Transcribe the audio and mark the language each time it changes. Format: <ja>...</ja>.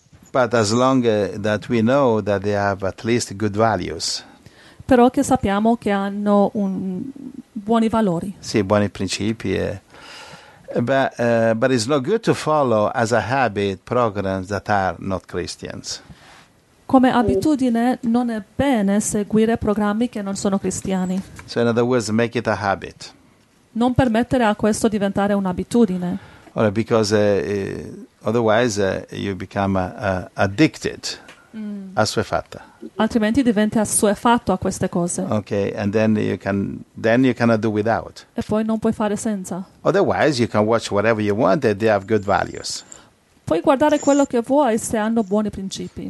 <en>But as long that we know that they have at least good values.</en> <it>Però che sappiamo che hanno buoni valori. Sì, buoni principi.</it> <en>But it's not good to follow as a habit programs that are not Christians.</en> <it>Come abitudine non è bene seguire programmi che non sono cristiani.</it> <en>So in other words, make it a habit.</en> <it>Non permettere a questo diventare un'abitudine.</it> <en>Or because otherwise you become addicted.</en> <it>Assuefatta. Altrimenti diventi assuefatto a queste cose.</it> <en>Okay, and then you cannot do without.</en> <it>E poi non puoi fare senza.</it> <en>Otherwise you can watch whatever you want and they have good values.</en> <it>Puoi guardare quello che vuoi se hanno buoni principi.</it>